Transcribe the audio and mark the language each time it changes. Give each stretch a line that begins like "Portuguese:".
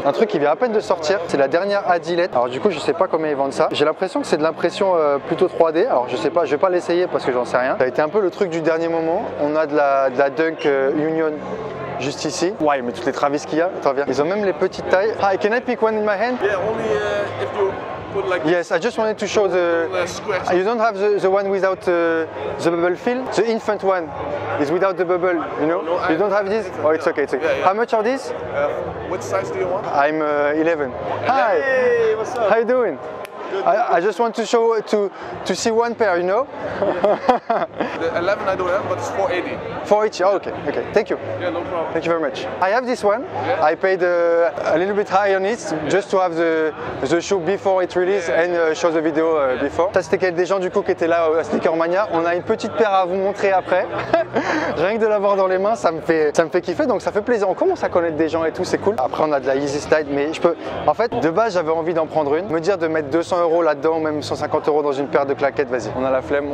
French: Un truc qui vient à peine de sortir, c'est la dernière Adilette. Alors, du coup, je sais pas combien ils vendent ça. J'ai l'impression que c'est de l'impression plutôt 3D. Alors, je sais pas, je vais pas l'essayer parce que j'en sais rien. Ça a été un peu le truc du dernier moment. On a de la Dunk Union juste ici. Ouais, mais toutes les Travis qu'il y a, attends, viens. Ils ont même les petites tailles.
English: Hi, can I pick one in my hand? Yeah, only if you. put like yes, I just wanted to show the square. You don't have the one without the bubble fill. The infant one is without the bubble, you know. No, you don't have this? Oh, it's okay. How much are these? Which size do you want? I'm 11. Hi. Hey, what's up? How you doing? Good. I just want to show to see one pair, you know. The 11 I don't have, but it's 480. 480. Oh, okay. Okay. Thank you. Yeah, no problem. Thank you very much. I have this one. Yeah. I paid a little bit high on it, just to have the shoe before it release and show the video before.
French: Ça c'était des gens du coup qui étaient là au Sneaker Mania. On a une petite paire à vous montrer après. Rien que de l'avoir dans les mains, ça me fait kiffer. Donc ça fait plaisir. On commence à connaître des gens et tout, c'est cool. Après on a de la Yeezy Slide, mais je peux. En fait, de base j'avais envie d'en prendre une. Me dire de mettre 200 euros là-dedans, même 150 euros dans une paire de claquettes, vas-y, on a la flemme.